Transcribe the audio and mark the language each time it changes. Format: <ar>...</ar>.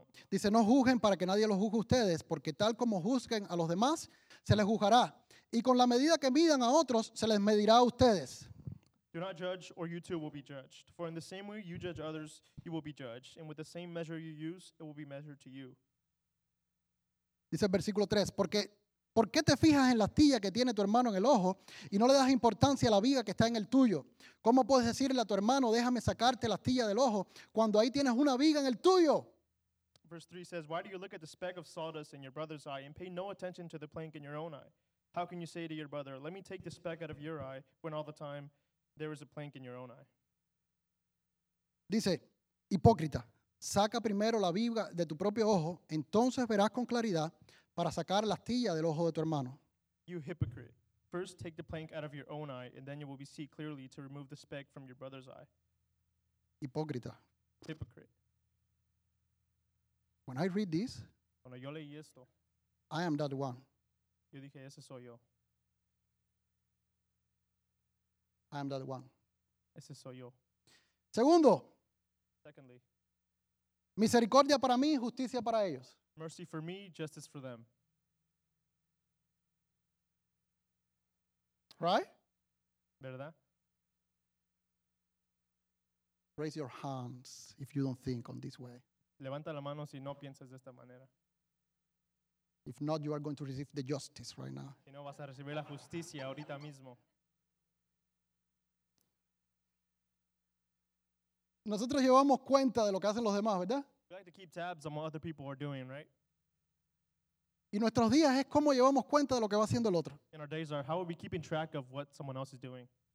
<es>Dice, no juzguen para que nadie los juzgue a ustedes, porque tal como juzguen a los demás, se les juzgará. Y con la medida que midan a otros, se les medirá a ustedes.</es> <en>Do not judge or you too will be judged. For in the same way you judge others, you will be judged. And with the same measure you use, it will be measured to you.</en> <es>Dice el versículo 3, porque... ¿Por qué te fijas en la astilla que tiene tu hermano en el ojo y no le das importancia a la viga que está en el tuyo? ¿Cómo puedes decirle a tu hermano, déjame sacarte la astilla del ojo, cuando ahí tienes una viga en el tuyo?</es> <en>Verse 3 says, why do you look at the speck of sawdust in your brother's eye and pay no attention to the plank in your own eye? How can you say to your brother, let me take the speck out of your eye, when all the time there is a plank in your own eye?</en> <es>Dice, hipócrita, saca primero la viga de tu propio ojo, entonces verás con claridad para sacar la astilla del ojo de tu hermano.</es> <en>You hypocrite. First take the plank out of your own eye, and then you will be see clearly to remove the speck from your brother's eye.</en> <es>Hipócrita.</es> <en>Hypocrite. When I read this,</en> <es>cuando yo leí esto,</es> <en>I am that one.</en> <es>Yo dije, ese soy yo.</es> <en>I am that one.</en> <es>Ese soy yo. Segundo.</es> <en>Secondly.</en> <es>Misericordia para mí, justicia para ellos.</es> <en>Mercy for me, justice for them. Right?</en> <es>¿Verdad?</es> <en>Raise your hands if you don't think on this way.</en> <es>Levanta la mano si no piensas de esta manera.</es> <en>If not, you are going to receive the justice right now.</en> <es>Si no, vas a recibir la justicia ahorita mismo. Nosotros llevamos cuenta de lo que hacen los demás, ¿verdad?</es> <en>We like to keep tabs on what other people are doing, right?</en> <es>Y nuestros días es cómo llevamos cuenta de lo que va haciendo el otro.</es> <en>In our days are how are we keeping track of what someone else is doing?</en>